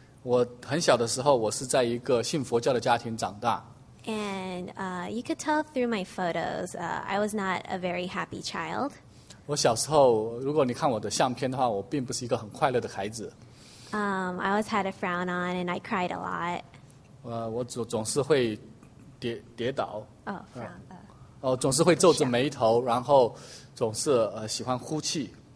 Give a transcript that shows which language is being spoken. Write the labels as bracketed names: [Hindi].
[Chinese] 我很小的时候，我是在一个信佛教的家庭长大。 [English] And you could tell through my photos, I was not a very happy child. [Chinese] 我小时候，如果你看我的相片的话，我并不是一个很快乐的孩子。 [English] I always had a frown on and I cried a lot. [Chinese] 我总是会跌倒。 [English] Frown. [Chinese] 总是会皱着眉头，然后总是喜欢哭泣。